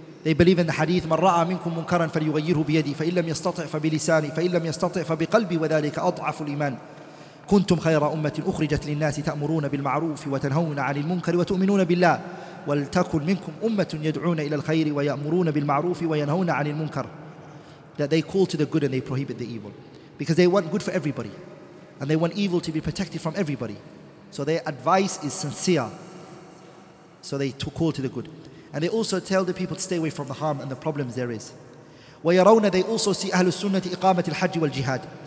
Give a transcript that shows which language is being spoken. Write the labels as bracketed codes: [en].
[en] They believe in the hadith [ar] من رأى منكم منكرا فليغيره بيدي فإن لم يستطع فبلساني فإن لم يستطع فبقلبي وذلك أضعف الإيمان كنتم خير أمة أخرجت للناس تأمرون بالمعروف وتنهون عن المنكر وتؤمنون بالله ولتكن منكم أمة يدعون إلى الخير ويأمرون بالمعروف وينهون عن المنكر. [en] That they call to the good and they prohibit the evil. Because they want good for everybody. And they want evil to be protected from everybody. So their advice is sincere. So they call to the good. And they also tell the people to stay away from the harm and the problems there is. [ar] ويرون [en] they also see [ar] أهل السنة إقامة الحج والجهاد.